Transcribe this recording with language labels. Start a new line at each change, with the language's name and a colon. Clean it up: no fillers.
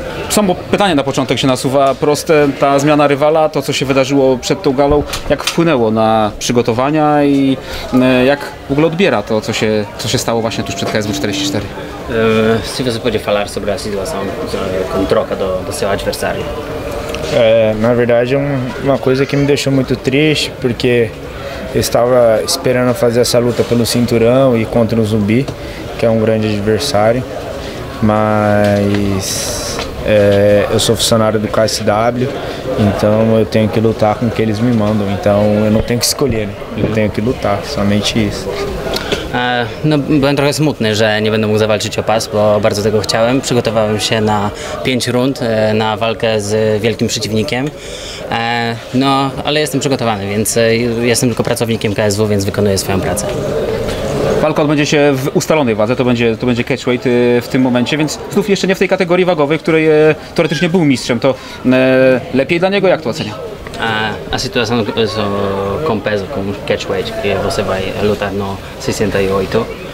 Polish: Samo pytanie na początek się nasuwa, proste, ta zmiana rywala, to co się wydarzyło przed tą galą, jak wpłynęło na przygotowania i jak w ogóle odbiera to, co się stało właśnie tuż przed KSW 44? Si wypowiedzi
Portuguese: falar sobre la situação, com troca do seu adversário. Na verdade, uma coisa que me deixou muito triste, porque estava esperando fazer essa luta pelo cinturão e contra o Zumbi, que é grande adversário, mas... eu sou funcionário do KSW, então eu tenho que lutar com o que eles me mandam. Então eu não tenho que escolher, eu tenho que lutar, somente isso.
Polish: No, byłem trochę smutny, że nie będę mógł zawalczyć o pas, bo bardzo tego chciałem. Przygotowałem się na 5 rund, na walkę z wielkim przeciwnikiem. No, ale jestem przygotowany, więc jestem tylko pracownikiem KSW, więc wykonuję swoją pracę. Walka odbędzie się w ustalonej wadze, to będzie catchweight w tym momencie, więc znów jeszcze nie w tej kategorii wagowej, której teoretycznie był mistrzem. To lepiej dla niego, jak to ocenia? A sytuacja z
Portuguese: peso, com catchweight, que você vai lutar no 68.